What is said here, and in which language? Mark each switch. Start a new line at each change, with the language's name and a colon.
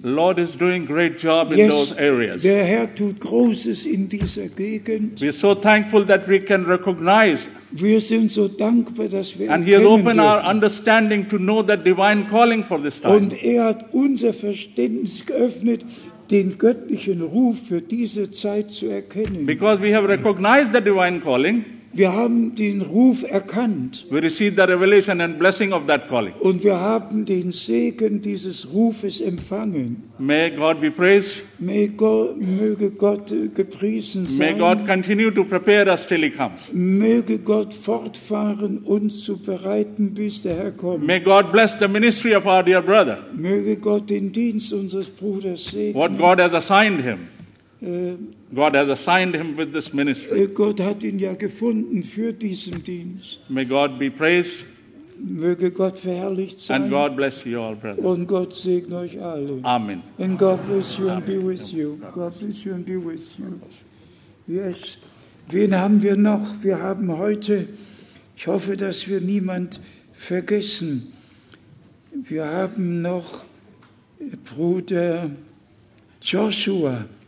English: Lord is doing great job in those areas.
German: Der Herr tut Großes in dieser Gegend.
English: We are so thankful that we can recognize.
German: Wir sind so dankbar, dass wir
English: and he has opened our understanding to know that divine calling for this time.
German: Und hat unser Verständnis geöffnet, den göttlichen Ruf für diese Zeit zu erkennen.
English: Because we have recognized the divine calling.
German: Wir haben den Ruf erkannt.
English: We received the revelation and blessing of that calling.
German: Und wir haben den Segen dieses Rufes empfangen.
English: May God be praised.
German: Möge Gott gepriesen sein.
English: May God continue to prepare us till he comes.
German: Möge Gott fortfahren, uns zu bereiten, bis der Herr kommt.
English: May God bless the ministry of our dear brother.
German: Möge Gott den Dienst unseres Bruders segnen.
English: What God has assigned him. God has assigned him with this ministry.
German: Gott hat ihn ja gefunden für diesen Dienst.
English: May God be praised.
German: Möge Gott verherrlicht sein.
English: And God bless you all, brother.
German: Und Gott segne euch alle.
English: Amen. And God bless you and be with you. God bless you and be with you. Yes.
German: Wen haben wir noch? Wir haben heute, ich hoffe, dass wir niemand vergessen. Wir haben noch Bruder Joshua.